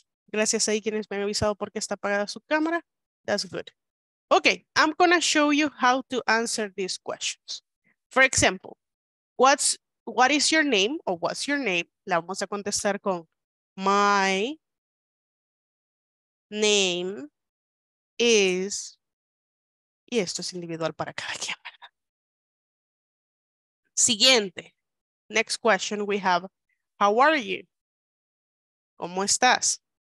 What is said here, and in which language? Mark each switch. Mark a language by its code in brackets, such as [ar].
[es] Gracias a quienes me han avisado porque está apagada su cámara. [en] That's good. Ok, I'm going to show you how to answer these questions. For example, what is your name or what's your name? [es] La vamos a contestar con [en] my name is, [es] y esto es individual para cada quien. [en] Siguiente. Next question we have. How are you? [es] ¿Cómo estás?